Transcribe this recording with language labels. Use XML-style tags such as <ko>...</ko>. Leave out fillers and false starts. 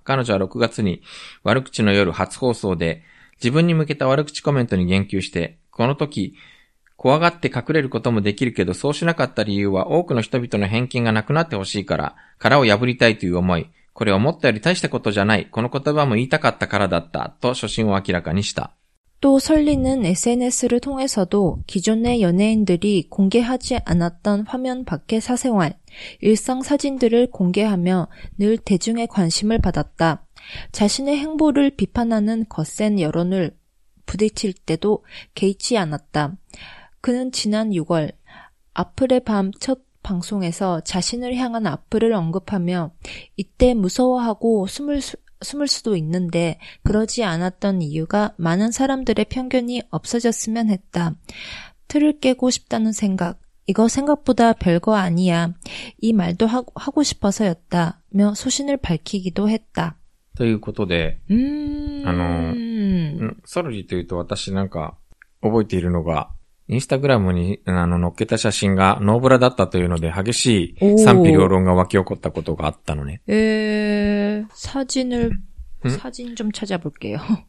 <ja>彼女は6月に悪口の夜初放送で自分に向けた悪口コメントに言及して、この時怖がって隠れることもできるけどそうしなかった理由は多くの人々の偏見がなくなってほしいから、殻を破りたいという思い。これ思ったより大したことじゃない。この言葉も言いたかったからだった。と初心を明らかにした。</ja> <ko>또설리는 SNS를 통해서도 기존의 연예인들이 공개하지 않았던 화면 밖의 사생활, 일상 사진들을 공개하며 늘 대중의 관심을 받았다. 자신의 행보를 비판하는 거센 여론을 부딪힐 때도 개의치 않았다. 그는 지난 6월 아플의 밤 첫방송에서자신을향한악플을언급하며이때무서워하고숨을수도있는데그러지않았던이유가많은사람들의편견이없어졌으면했다틀을깨고싶다는생각이거생각보다별거아니야이말도 하고싶어서였다며소신을밝히기도했다</ko> <ja>ということで ソルリというと私なんか覚えているのがインスタグラムに載っけた写真がノーブラだったというので激しい賛否両論が湧き起こったことがあったのね。</ja> <ko>写真좀찾아볼게요。</ko>